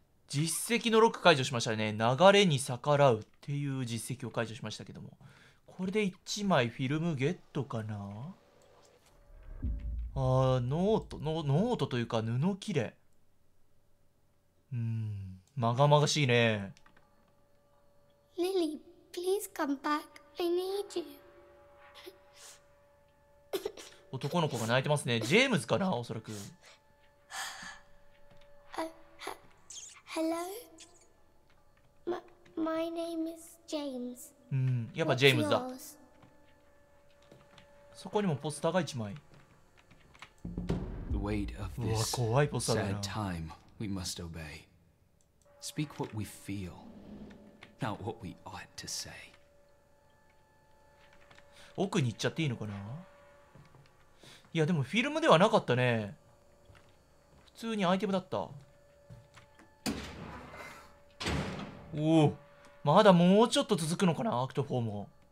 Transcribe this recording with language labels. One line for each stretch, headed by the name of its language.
Japanese: 実績のロック解除しましたね。流れに逆らうっていう実績を解除しましたけども、これで1枚フィルムゲットかな。あー、ノートの、ノートというか布切れ。うん、禍々しいね。
English: リリー、 please come back. I need you.
Japanese: 男の子が泣いてますね。ジェームズかな、おそらく。
English: Hello? My name is James.
Japanese: うん、やっぱジェームズだ。そこにもポスターが一枚。
English: Wait of this.
Japanese: うわ、怖いポスターだな。
English: Sad time. We must obey. Speak what we feel, not what we ought to say.
Japanese: 奥に行っちゃっていいのかな？いや、でもフィルムではなかったね。普通にアイテムだった。おお、まだもうちょっと続くのかな、アクト4も。